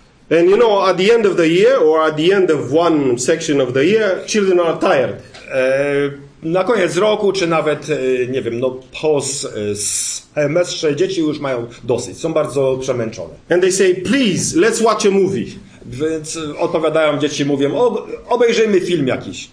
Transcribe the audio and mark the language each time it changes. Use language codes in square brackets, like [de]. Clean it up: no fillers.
[en] And you know, at the end of the year or at the end of one section of the year, children are tired. [pl] Na koniec roku, czy nawet, nie wiem, no po semestrze, dzieci już mają dosyć. Są bardzo przemęczone. [en] And they say, please, let's watch a movie. [pl] Więc odpowiadają dzieci, mówią, obejrzyjmy film jakiś.